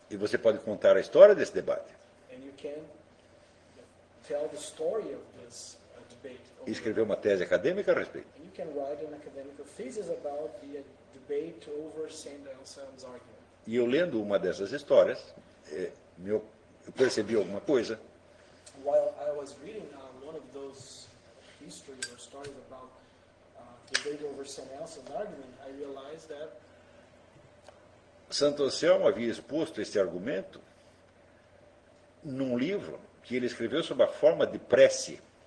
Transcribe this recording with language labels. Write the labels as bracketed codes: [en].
[pt] E você pode contar a história desse debate. [en] And you can tell the story of this debate. [pt] E escrever uma tese acadêmica a respeito. [en] And you can write an academic thesis about the debate over Saint Anselm's argument. [pt] E eu lendo uma dessas histórias, eu percebi alguma coisa. [en] While I was reading one of those histories or stories about the debate over Saint Anselm's argument, I realized that [pt] Santo Anselmo havia exposto esse argumento num livro que ele escreveu sob a forma de prece.